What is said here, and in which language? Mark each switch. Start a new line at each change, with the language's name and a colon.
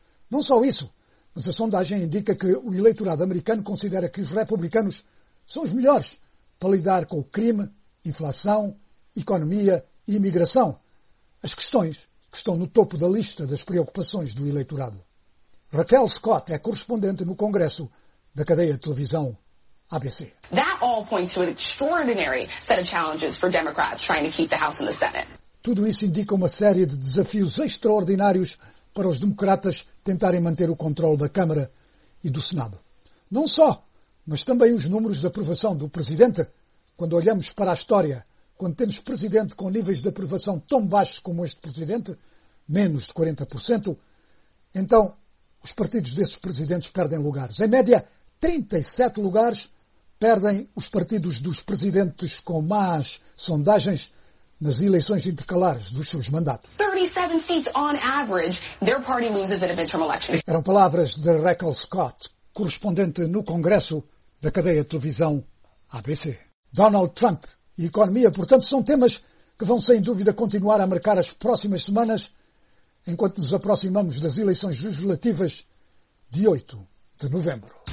Portuguese: Não só isso, mas a sondagem indica que o eleitorado americano considera que os republicanos são os melhores para lidar com o crime, inflação, economia e imigração, as questões que estão no topo da lista das preocupações do eleitorado. Raquel Scott é correspondente no Congresso da cadeia de televisão ABC.
English: That all points to an extraordinary set of challenges for Democrats trying to keep the House and the Senate.
Portuguese: Tudo isso indica uma série de desafios extraordinários para os democratas tentarem manter o controle da Câmara e do Senado. Não só, mas também os números de aprovação do presidente. Quando olhamos para a história, quando temos presidente com níveis de aprovação tão baixos como este presidente, menos de 40%, então os partidos desses presidentes perdem lugares. Em média, 37 lugares perdem os partidos dos presidentes com más sondagens nas eleições intercalares dos seus mandatos.
English: 37 seats on average, their party loses in a midterm election.
Portuguese: Eram palavras de Raquel Scott, correspondente no Congresso da cadeia de televisão ABC. Donald Trump e economia, portanto, são temas que vão sem dúvida continuar a marcar as próximas semanas, enquanto nos aproximamos das eleições legislativas de 8 de novembro.